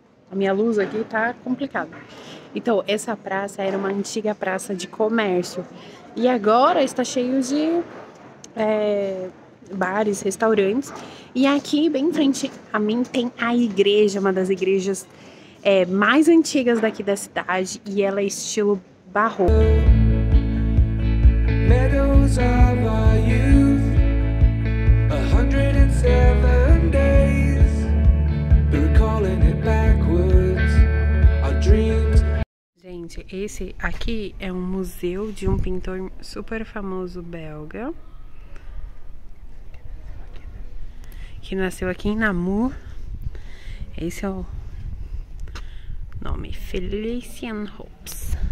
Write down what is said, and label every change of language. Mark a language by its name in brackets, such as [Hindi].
[Portuguese] A minha luz aqui tá complicada. Então, essa praça era uma antiga praça de comércio. E agora está cheio de bares, restaurantes. E aqui, bem em frente a mim, tem a igreja, uma das igrejas mais antigas daqui da cidade. E ela é estilo barroco. [English] Meadows of our youth, 107 days, recalling it backwards, our dreams. [Portuguese] Gente, esse aqui é um museu de um pintor super famoso belga, que nasceu aqui em Namur. Esse é o nome, Felicien Hoops.